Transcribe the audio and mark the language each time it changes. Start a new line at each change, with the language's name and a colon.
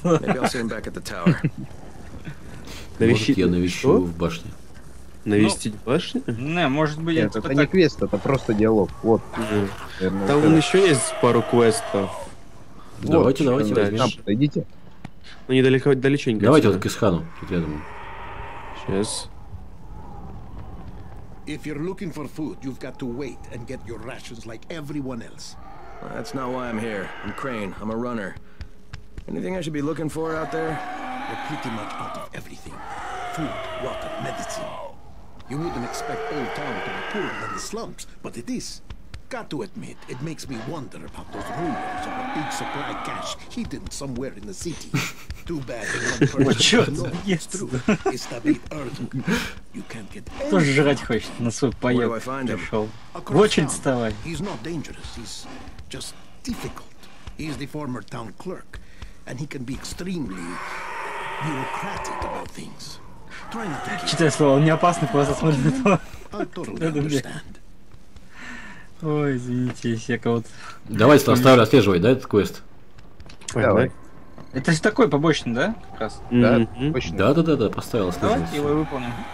Russian: Может, я навещу его в башне. Навестить башню? Не, может быть, это. Это не квест, это просто диалог. Вот. Там еще есть пару квестов. Давайте, давайте, возьмем. Подойдите. Ну недалеко, далеченько. Давайте вот к Исхану, тут я думаю. Сейчас.
English: If you're looking for food, you've got to wait and get your rations like everyone else. Well, that's not why I'm here. I'm Crane. I'm a runner. Anything I should be looking for out there? We're pretty much out of everything. Food, water, medicine. You wouldn't expect Old Town to be poorer than the slums, but it is. Got to admit, it makes me wonder about those rumors of a big supply cache hidden somewhere in the city. Too bad one person doesn't know it's true. It's the big earthquake. You can't get any.
Russian: Тоже жрать хочет на свой паёк пришёл. В очередь вставай.
English: He's not dangerous. He's just difficult. He's the former town clerk, and he can be extremely bureaucratic about things.
Russian: Читай слово. Он не опасный, просто смотри на то. Ой, извините, если я кого-то... Давай, оставлю, отслеживай, да, этот квест? Давай. Это же такой побочный, да, как раз? Да, да, поставил, оставлю. Давайте его выполним.